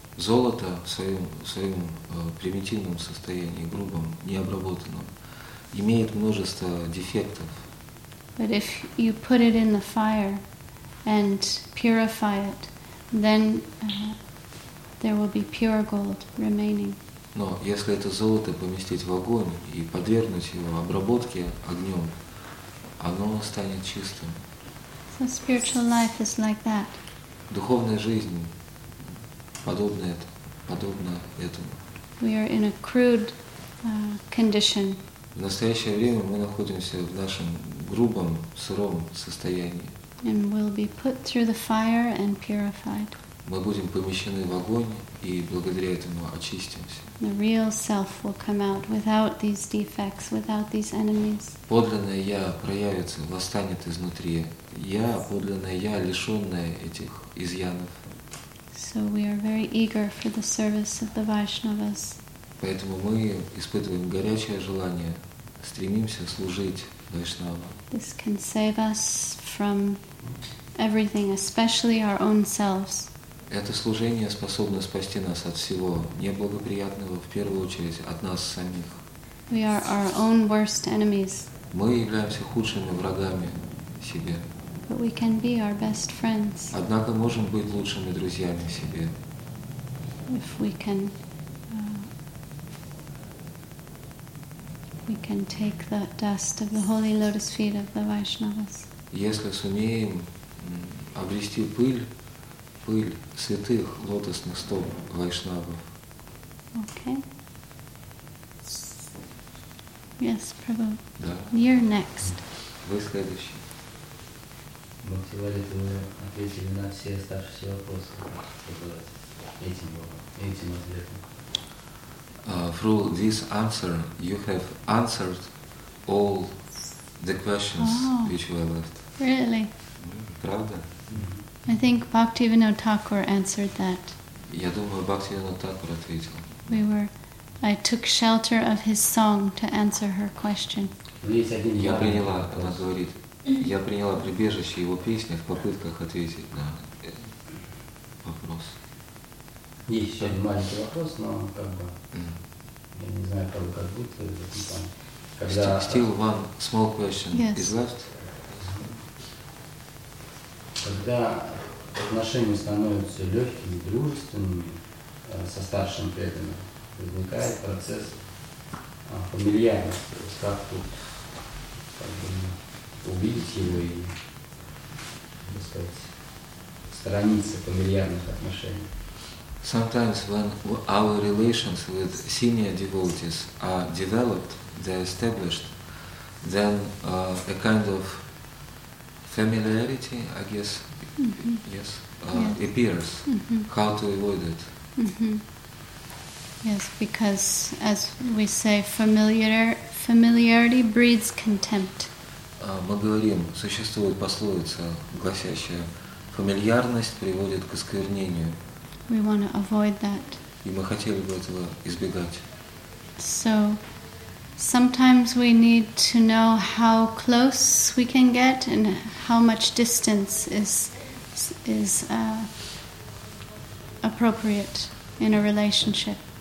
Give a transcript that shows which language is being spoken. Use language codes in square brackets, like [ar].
[ru] Золото в своем примитивном состоянии, грубом, необработанном, имеет множество дефектов. [en] But if you put it in the fire and purify it, then there will be pure gold remaining. [ru] Но если это золото поместить в огонь и подвергнуть его обработке огнем, оно станет чистым. [en] So spiritual life is like that. [ru] Духовная жизнь подобна этому. [en] We are in a crude condition. [ru] В настоящее время мы находимся в нашем грубом, сыром состоянии. [en] And we'll be put through the fire and purified. [ru] Мы будем помещены в огонь и благодаря этому очистимся. [en] The real self will come out without these defects, without these enemies. [ru] Подлинное я проявится, восстанет изнутри. Я, подлинное я, лишенное этих изъянов. [en] So we are very eager for the service of the Vaishnavas. [ru] Поэтому мы испытываем горячее желание, стремимся служить Вайшнавам. [en] This can save us from everything, especially our own selves. [ru] Это служение способно спасти нас от всего неблагоприятного, в первую очередь, от нас самих. [en] We are our own worst enemies. [ru] Мы являемся худшими врагами себе. [en] But we can be our best friends. [ru] Однако можем быть лучшими друзьями себе. [en] If we can, we can take the dust of the holy lotus feet of the Vaishnavas. [ru] Если сумеем обрести пыль святых лотосных стоп вайшнавов. [en] Okay. Yes, Prabhu. [ru] Да. [en] You're next. [ru] Вы следующий. Мы сегодня мы ответили на все оставшиеся вопросы, которые этим ответом. [en] Through this answer, you have answered all the questions which were left. Really? [ru] Правда? [en] I think Bhaktivinoda Thakur answered that. [ru] Я думаю, Бхактивинода Тхакур ответил. [en] I took shelter of his song to answer her question. [ru] Я приняла прибежище его песни в попытках ответить на вопрос. Есть еще один маленький вопрос, но я не знаю, как будет. [en] Still one small question is left. [ru] Когда отношения становятся легкими, дружественными со старшим преданным, возникает процесс фамильярности. Как тут увидеть его и, так сказать, сторониться фамильярных отношений? [en] Sometimes when our relations with senior devotees are developed, they are established, then a kind of familiarity, I guess, appears. Mm-hmm. How to avoid it? Mm-hmm. Yes, because as we say, familiarity breeds contempt. [ru] Мы говорим, существует пословица, гласящая, фамильярность приводит к осквернению. [en] We want to avoid that. [ru] И мы хотели бы этого избегать. [en] So, sometimes we need to know how close we can get and how much distance is appropriate in a relationship.